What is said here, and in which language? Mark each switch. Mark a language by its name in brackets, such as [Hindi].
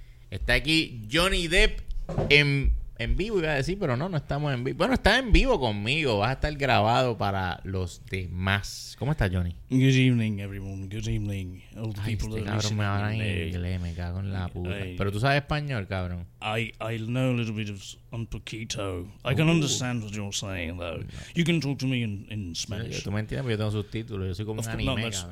[Spanish] Está aquí Johnny Depp en vivo, iba a decir, pero no estamos en vivo. Bueno, está en vivo conmigo. Va a estar grabado para los demás. ¿Cómo estás, Johnny? [English] Good evening, everyone. Good evening. All the people [Spanish] este cabrón me habla en inglés. Me cago en la puta. Pero tú sabes español, cabrón. [English] I know a little bit of [Spanish] un poquito. [English] I can understand what you're saying, though. No. You can talk to me in Spanish. [Spanish] Tú me entiendes porque yo tengo subtítulos. Yo soy como un anime, cabrón.